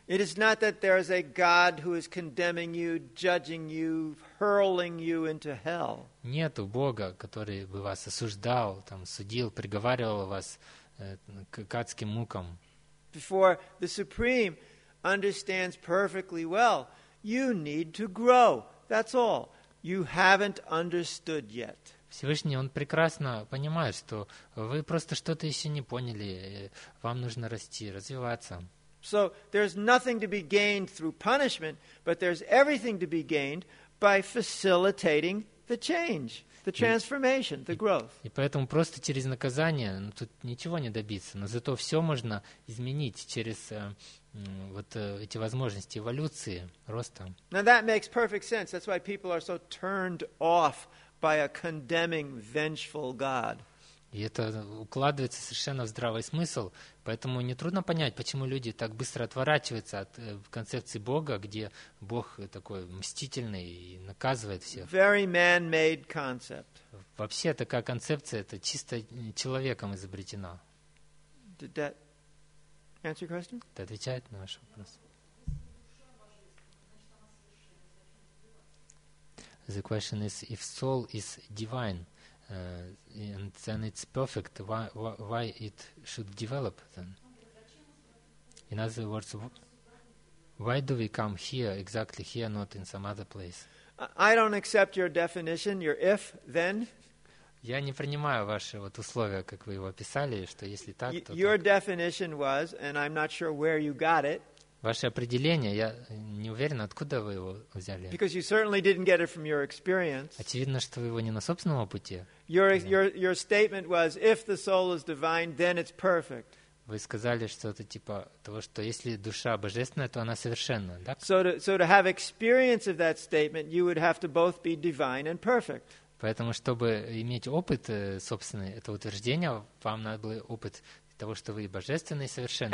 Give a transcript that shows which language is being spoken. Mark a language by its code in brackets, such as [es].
[en] It is not that there is a God who is condemning you, judging you, hurling you into hell. [ru] Нету Бога, который бы вас осуждал, там, судил, приговаривал вас к адским мукам. [en] Before the Supreme understands perfectly well, you need to grow. That's all. You haven't understood yet. [ru] Всевышний, он прекрасно понимает, что вы просто что-то еще не поняли. Вам нужно расти, развиваться. [en] So there's nothing to be gained through punishment, but there's everything to be gained by facilitating the change, the transformation, the growth. [ru] И поэтому просто через наказание тут ничего не добиться, но зато все можно изменить через вот эти возможности эволюции, роста. [en] Now that makes perfect sense. That's why people are so turned off by a condemning, vengeful God. [ru] И это укладывается совершенно в здравый смысл, поэтому нетрудно понять, почему люди так быстро отворачиваются от концепции Бога, где Бог такой мстительный и наказывает всех. [en] Very man-made concept. [ru] Вообще такая концепция, это чисто человеком изобретена. [en] Did that answer your question? [ru] Это отвечает на ваш вопрос. [en] The question is, if soul is divine, and then it's perfect, why it should develop then? In other words, why do we come here, exactly here, not in some other place? I don't accept your definition, your if, then. [ru] Я не принимаю ваши вот условия, как вы его описали, что если так, то так. [en] Your definition was, and I'm not sure where you got it. [ru] Ваше определение, я не уверен, откуда вы его взяли. [en] Because you certainly didn't get it from your experience. [ru] Очевидно, что вы его не на собственном опыте. [en] Your statement was, if the soul is divine, then it's perfect. [ru] Вы сказали что-то типа того, что если душа божественная, то она совершенна, да? [en] So to have experience of that statement, you would have to both be divine and perfect. [ru] Поэтому, чтобы иметь опыт собственный, это утверждение, вам надо было опыт того, что вы божественны и совершенны.